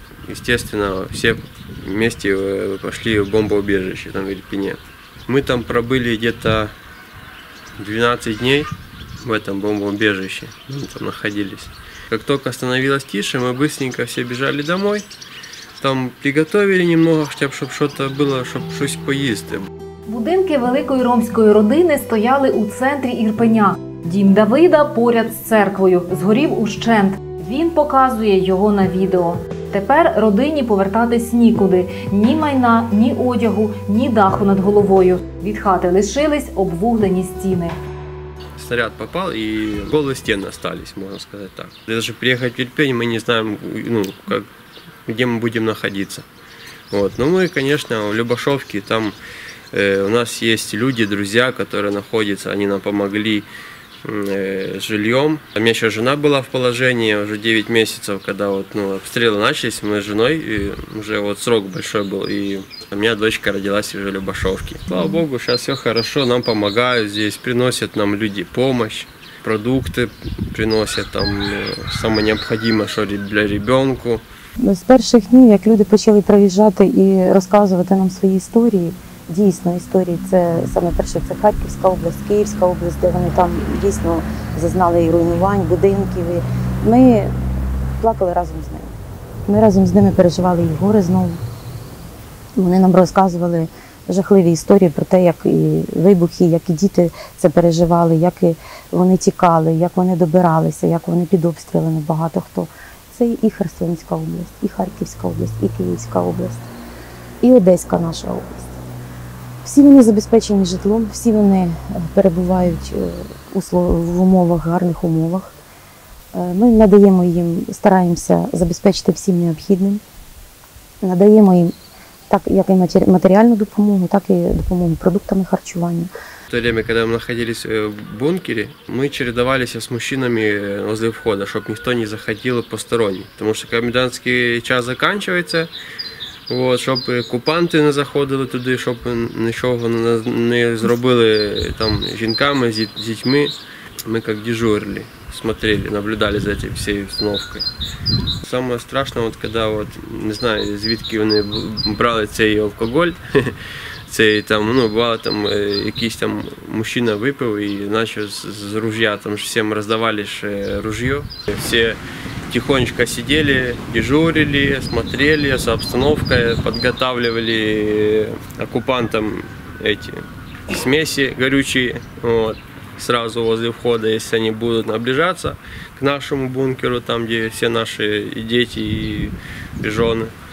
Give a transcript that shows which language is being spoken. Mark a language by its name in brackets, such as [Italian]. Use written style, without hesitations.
[Russian] Естественно, все вместе пошли в бомбоубежище там в Ирпене. Мы там пробыли где-то 12 дней в этом бомбоубежище, мы там находились. Как только становилось тише, мы быстренько все бежали домой. Там приготовили немного, [Ukrainian] хоча б, щоб щось було, щоб щось поїсти. Будинки великої ромської родини стояли у центрі Ірпеня. Дім Давида поряд з церквою. Згорів ущент. Він показує його на відео. Тепер родині повертатись нікуди. Ні майна, ні одягу, ні даху над головою. Від хати лишились обвуглені стіни. Снаряд попав і голі стіни залишились, можна сказати так. Навіть приїхати в Ірпень, ми не знаємо, як... [Russian] где мы будем находиться. Вот. Ну, мы, конечно, в Любашовке, там у нас есть люди, друзья, которые находятся, они нам помогли с жильем. У меня еще жена была в положении уже 9 месяцев, когда обстрелы начались, мы с женой, и уже срок большой был, и у меня дочка родилась уже в Любашовке. Слава Богу, сейчас все хорошо, нам помогают здесь, приносят нам люди помощь, продукты приносят, там самое необходимое, что для ребенка. [Ukrainian] З перших днів, як люди почали приїжджати і розказувати нам свої історії, дійсно історії, це саме перше, це Харківська область, Київська область, де вони там дійсно зазнали і руйнувань, будинків. Ми плакали разом з ними. Ми разом з ними переживали і гори знову. Вони нам розказували жахливі історії про те, як і вибухи, як і діти це переживали, як і вони тікали, як вони добиралися, як вони під обстрілами багато хто. Це і Херсонська область, і Харківська область, і Київська область, і Одеська наша область. Всі вони забезпечені житлом, всі вони перебувають в умовах, гарних умовах. Ми надаємо їм, стараємося забезпечити всім необхідним. Надаємо їм так, як і матеріальну допомогу, так і допомогу продуктами харчування. [Russian] В то время, когда мы находились в бункере, мы чередовались с мужчинами возле входа, чтобы никто не заходил посторонний. Потому что комендантский час заканчивается, чтобы оккупанты не заходили туда, чтобы ничего не сделали там женщинами, с детьми. Мы как дежурили, смотрели, наблюдали за этой всей установкой. Самое страшное, когда не знаю, [Ukrainian] звідки они брали цей алкоголь, цей там, бувало там, якийсь там мужчина випив і наче з ружья, там ж всім роздавали ж ружьё. Всі тихонечко сиділи, дежурили, смотрели за обстановкою, підготовлювали окупантам ці смеси горючі, [Russian] сразу возле входа, [Ukrainian] якщо вони будуть наближатися к нашому бункеру, там, де всі наші діти і жони.